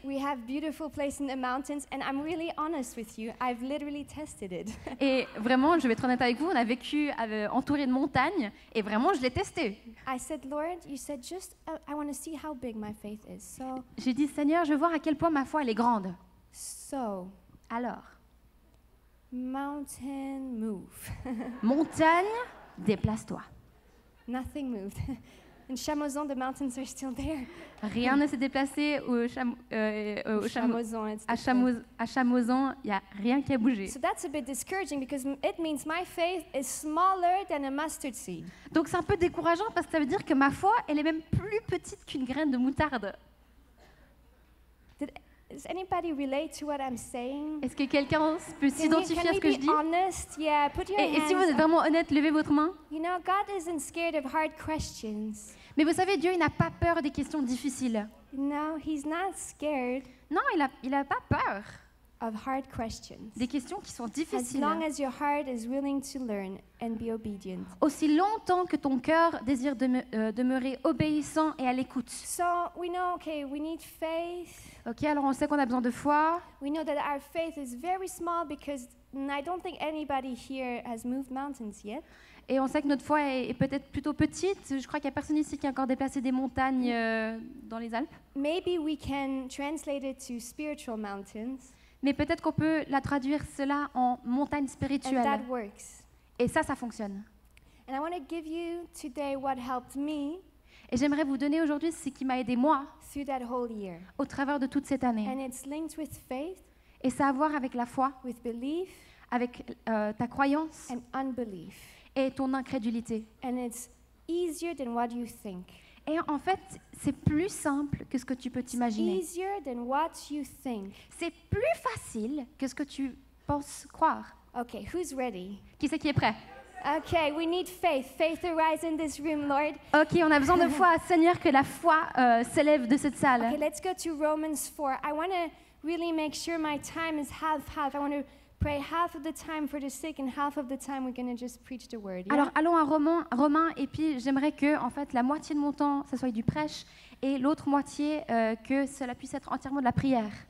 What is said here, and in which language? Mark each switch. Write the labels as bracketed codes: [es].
[en] We have beautiful places in the mountains, and I'm really honest with you. I've literally tested it. [fr] Et vraiment, je vais être honnête avec vous. On a vécu entouré de montagnes, et vraiment, je l'ai testé. [en] I said, Lord, you said just I want to see how big my faith is. So. [fr] J'ai dit, Seigneur, je veux voir à quel point ma foi elle est grande. [en] So. [fr] Alors. [en] Mountain move. [fr] Montagne, déplace-toi. [en] Nothing moved. In Chamozon, the mountains are still there. [fr] Rien ne s'est déplacé à Chamozon, il y a rien qui a bougé. [en] So that's a bit discouraging because it means my faith is smaller than a mustard seed. [fr] Donc c'est un peu décourageant parce que ça veut dire que ma foi, elle est même plus petite qu'une graine de moutarde. [en] Does anybody relate to what I'm saying? [fr] Est-ce que quelqu'un peut s'identifier à ce que je dis? [en] Can we be honest? Yeah, put your hands. [fr] Et si vous êtes vraiment honnête, levez votre main. [en] You know, God isn't scared of hard questions. [fr] Mais vous savez, Dieu, il n'a pas peur des questions difficiles. [en] No, he's not scared. [fr] Non, il a pas peur. [en] Of hard questions. [fr] Des questions qui sont difficiles. [en] As long as your heart is willing to learn and be obedient. [fr] Aussi longtemps que ton cœur désire demeurer obéissant et à l'écoute. [en] So we know, okay, we need faith. [fr] Ok, alors on sait qu'on a besoin de foi. [en] We know that our faith is very small because I don't think anybody here has moved mountains yet. [fr] Et on sait que notre foi est peut-être plutôt petite. Je crois qu'il n'y a personne ici qui a encore déplacé des montagnes dans les Alpes. [en] Maybe we can translate it to spiritual mountains. [fr] Mais peut-être qu'on peut la traduire cela en montagne spirituelle. [en] And that works. [fr] Et ça fonctionne. [en] And I want to give you today what helped me. [fr] Et j'aimerais vous donner aujourd'hui ce qui m'a aidé moi [en] through that whole year. [fr] Au travers de toute cette année. [en] And it's linked with faith. [fr] Et ça a à voir avec la foi. [en] With belief. [fr] avec ta croyance [en] and unbelief. [fr] Et ton incrédulité. [en] And it's easier than what you think. [fr] Et en fait, c'est plus simple que ce que tu peux t'imaginer. [en] It's easier than what you think. [fr] C'est plus facile que ce que tu penses croire. [en] Okay, who's ready? [fr] Qui c'est qui est prêt? [en] Okay, we need faith. Faith arise in this room, Lord. [fr] Okay, on a besoin de foi, Seigneur, que la foi s'élève de cette salle. [en] Okay, let's go to Romans 4. I want to really make sure my time is half-half. I want to pray half of the time for the sick and half of the time we're going to just preach the word. Yeah? [fr] Alors allons à Romains et puis j'aimerais que en fait la moitié de mon temps ça soit du prêche et l'autre moitié que cela puisse être entièrement de la prière.